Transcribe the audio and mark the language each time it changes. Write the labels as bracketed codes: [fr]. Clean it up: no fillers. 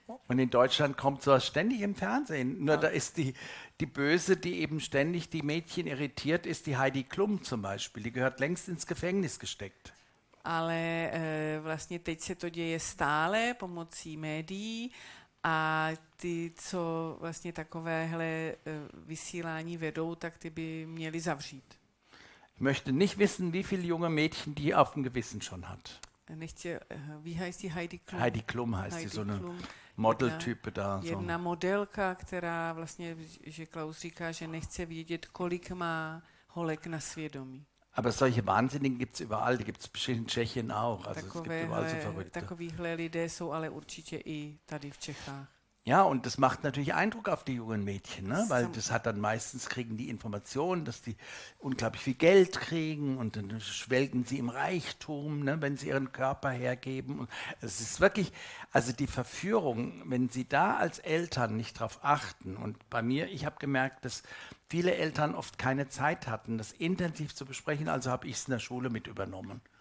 [de] und in Deutschland kommt sowas ständig im Fernsehen. Nur da ist die Böse, die eben ständig die Mädchen irritiert, ist die Heidi Klum zum Beispiel. Die gehört längst ins Gefängnis gesteckt. [cs] Ale vlastně teď se to děje stále pomocí médií a ty, co vlastně takovéhle vysílání vedou, tak ty by měli zavřít. [de] Ich möchte nicht wissen, wie viele junge Mädchen die auf dem Gewissen schon hat. Wie heißt die Heidi Klum? Heidi Klum heißt sie, so eine Model-Type da. [cs] Jedna modelka, která vlastně, že Klaus říká, že nechce vědět, kolik má holek na svědomí. [de] Aber solche Wahnsinnigen gibt es überall, die gibt es in Tschechien auch. Also takovéhle, es gibt überall so Verrückte. [cs] Takovéhle lidé jsou ale určitě i tady v Čechách. [de] Ja, und das macht natürlich Eindruck auf die jungen Mädchen, ne? Weil das hat dann meistens, kriegen die Informationen, dass die unglaublich viel Geld kriegen und dann schwelgen sie im Reichtum, ne? Wenn sie ihren Körper hergeben. Und es ist wirklich, also die Verführung, wenn sie da als Eltern nicht drauf achten und bei mir, ich habe gemerkt, dass viele Eltern oft keine Zeit hatten, das intensiv zu besprechen, also habe ich es in der Schule mit übernommen.